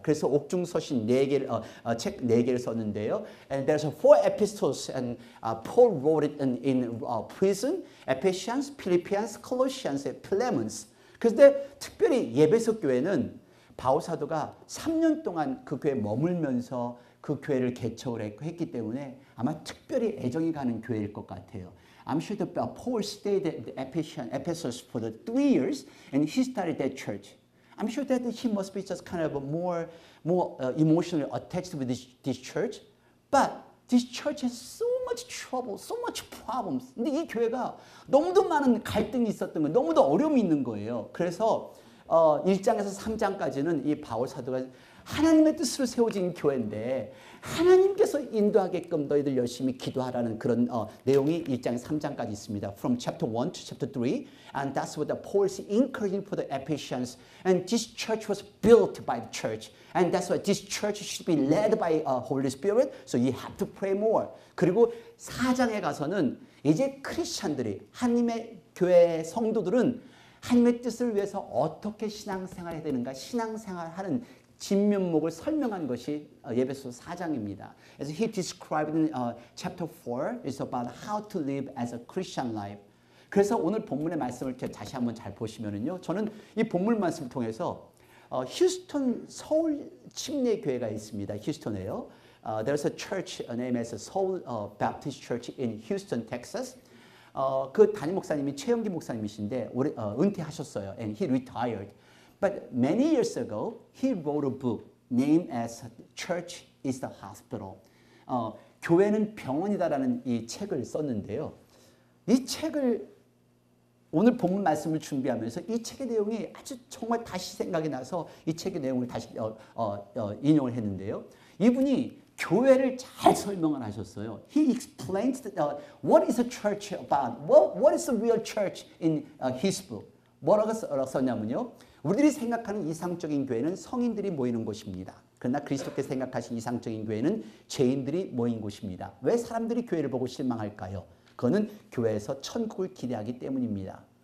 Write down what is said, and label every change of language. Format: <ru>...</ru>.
<ko>그래서 옥중서신 책 네 개를 썼는데요.</ko> <en>And there's four epistles and Paul wrote it in prison. Ephesians, Philippians, Colossians, Philemons.</en> <ko>그런데 특별히 예배소 교회는 바오사도가 3년 동안 그 교회에 머물면서 그 교회를 개척을 했기 때문에 아마 특별히 애정이 가는 교회일 것 같아요.</ko> <en>I'm sure that Paul stayed at the Ephesus for the 3 years and he started that church. I'm sure that he must be just kind of more emotionally attached with this church. But this church has so much trouble, so much problems.</en> <ko>근데 이 교회가 너무도 많은 갈등이 있었던 거예요. 너무도 어려움이 있는 거예요. 그래서 1장에서 3장까지는 이 바울 사도가 하나님의 뜻으로 세워진 교회인데 하나님께서 인도하게끔 너희들 열심히 기도하라는 그런 내용이 1장 3장까지 있습니다.</ko> <en>From chapter 1 to chapter 3 and that's what the Paul's encouraging for the Ephesians and this church was built by the church and that's why this church should be led by the Holy Spirit so you have to pray more.</en> <ko>그리고 4장에 가서는 이제 크리스천들이 하나님의 교회 성도들은 하나님의 뜻을 위해서 어떻게 신앙생활해야 되는가 신앙생활하는 진면목을 설명한 것이 예배소 4장입니다.</ko> <en>As he described in chapter 4 is about how to live as a Christian life.</en> <ko>그래서 오늘 본문의 말씀을 다시 한번 잘 보시면은요. 저는 이 본문 말씀을 통해서 휴스턴 서울 침례 교회가 있습니다. 휴스턴에요.</ko> <en>There's a church name as a Seoul Baptist Church in Houston, Texas.</en> <ko>그 담임 목사님이 최영기 목사님이신데 은퇴하셨어요.</ko> <en>And he retired. But many years ago, he wrote a book named as Church is the Hospital.</en> <ko>교회는 병원이다라는 이 책을 썼는데요. 이 책을 오늘 본문 말씀을 준비하면서 이 책의 내용이 아주 정말 다시 생각이 나서 이 책의 내용을 다시 인용을 했는데요. 이분이 교회를 잘 설명을 하셨어요.</ko> <en>He explains what is a church about? What is a real church in his book?</en> <ko>뭐라고 썼냐면요. 우리들이 생각하는 이상적인 교회는 성인들이 모이는 곳입니다. 그러나 그리스도께서 생각하신 이상적인 교회는 죄인들이 모인 곳입니다. 왜 사람들이 교회를 보고 실망할까요? 그거는 교회에서 천국을 기대하기 때문입니다.</ko>